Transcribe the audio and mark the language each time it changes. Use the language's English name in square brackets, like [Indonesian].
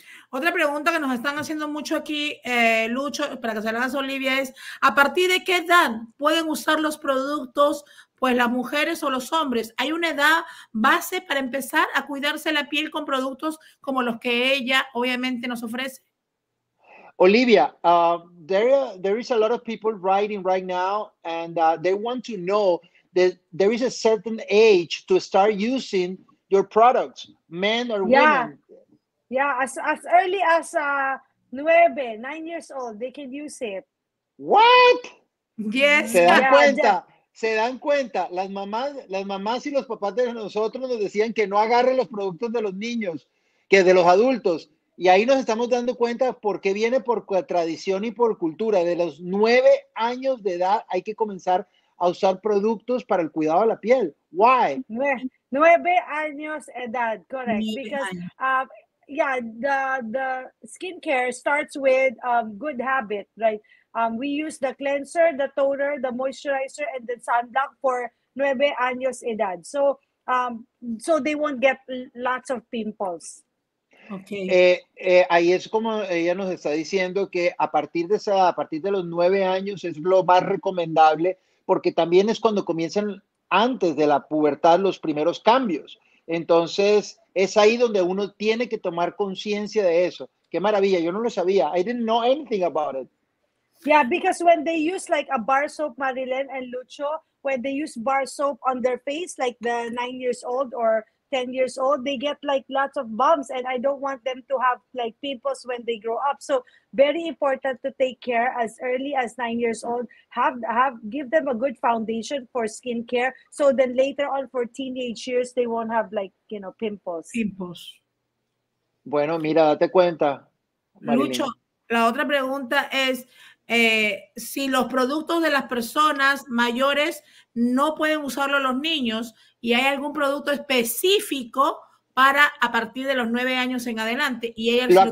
[Spanish] Otra pregunta que nos están haciendo mucho aquí, Lucho, para que se la hagas a Olivia, es ¿a partir de qué edad pueden usar los productos, pues las mujeres o los hombres? ¿Hay una edad base para empezar a cuidarse la piel con productos como los que ella obviamente nos ofrece? [English] Olivia, there is a lot of people writing right now and they want to know that there is a certain age to start using your products, men or women. Yeah, as early as 9 years old, they can use it. What? Yes. [Spanish] Se dan cuenta. Las mamás y los papás de nosotros nos decían que no agarren los productos de los niños, que de los adultos. Y ahí nos estamos dando cuenta por qué viene por tradición y por cultura. De los 9 años de edad hay que comenzar a usar productos para el cuidado de la piel. [English] Why? [Spanish] 9 años de edad, correct. [English] Yeah, the skincare starts with good habit, right? We use the cleanser, the toner, the moisturizer, and the sunblock for 9 [Spanish] años edad. [English] So they won't get lots of pimples. Okay. [Spanish] Ahí es como ella nos está diciendo que a partir de esa, a partir de los 9 años es lo más recomendable porque también es cuando comienzan antes de la pubertad los primeros cambios. Entonces, es ahí donde uno tiene que tomar conciencia de eso. ¡Qué maravilla! Yo no lo sabía. [English] I didn't know anything about it. Yeah, because when they use like a bar soap, Marilyn and Lucho, when they use bar soap on their face, like the 9 years old or 10 years old, they get like lots of bumps, and I don't want them to have like pimples when they grow up. So very important to take care as early as 9 years old. Give them a good foundation for skincare, so then later on for teenage years they won't have like, you know, pimples. Pimples. [Spanish] Bueno, mira, date cuenta, Marilyn. Lucho, la otra pregunta es, si los productos de las personas mayores no pueden usarlo los niños, y hay algún producto específico para a partir de los 9 años en adelante, y ella